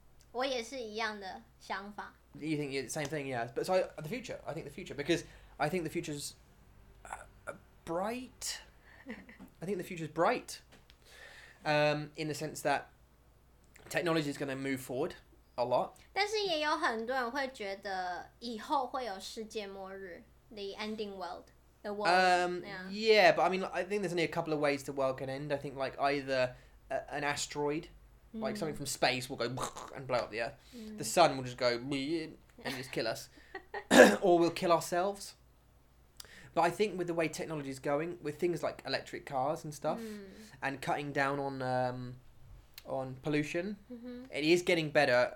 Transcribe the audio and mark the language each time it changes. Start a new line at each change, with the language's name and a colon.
Chinese: 我也是一样的想法.
English: You think you're the same thing, yeah. But so the future, I think the future, because I think the future's bright. I think the future's bright, in the sense that technology is going to move forward a lot.
Chinese: 但是也有很多人会觉得以后会有世界末日,
English: the ending world, the world. Yeah, but I mean, I think there's only a couple of ways the world can end. I think like either an asteroid, like something from space, will go and blow up the Earth. Mm. The sun will just go and just kill us, or we'll kill ourselves. But I think with the way technology is going, with things like electric cars and stuff, and cutting down on pollution, it is getting better.